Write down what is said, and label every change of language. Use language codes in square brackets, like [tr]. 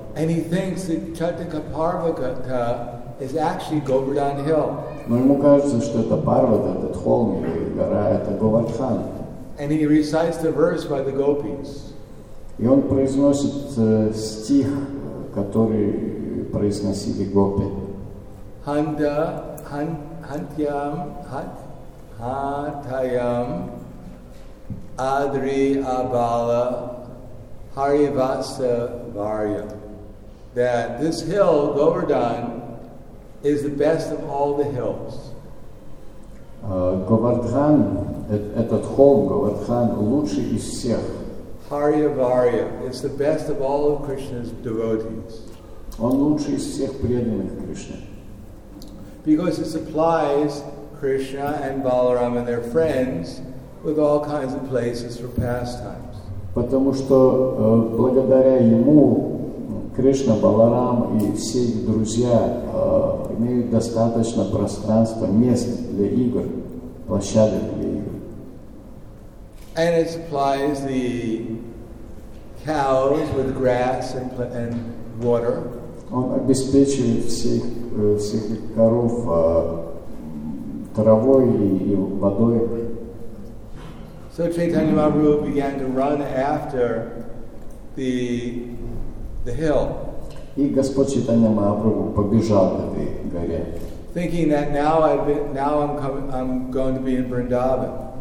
[en] And he thinks that Chataka Parvata is actually Govardhan Hill. [ru] Но ему кажется, что это Парвата, этот холм или гора, это Говардхан. [en] And he recites the verse by the gopis. [ru] И он произносит стих, который произносили гопи. [sa] Ханда, хантьям, Hatayam Adri Abala Harivasa Varya. [en] That this hill, Govardhan, is the best of all the hills. [ru] Govardhan, этот холм, Govardhan, лучший из всех. [en] Harivarya, it's the best of all of Krishna's devotees. [ru] Он лучший из всех преданных Кришны. [en] Because it supplies Krishna and Balaram and their friends with all kinds of places for pastimes. [ru] Потому что благодаря ему Кришна, Баларам и все их друзья имеют достаточно пространства, мест для игр, площадок для игр. [en] And it supplies the cows with grass and water. [ru] Он обеспечивает всех коров травой и водой. [en] So Chaitanya Mahaprabhu began to run after the hill. [ru] И Господь Чайтанья Махапрабху побежал к этой горе. [en] Thinking that I'm going to be in Vrindavan.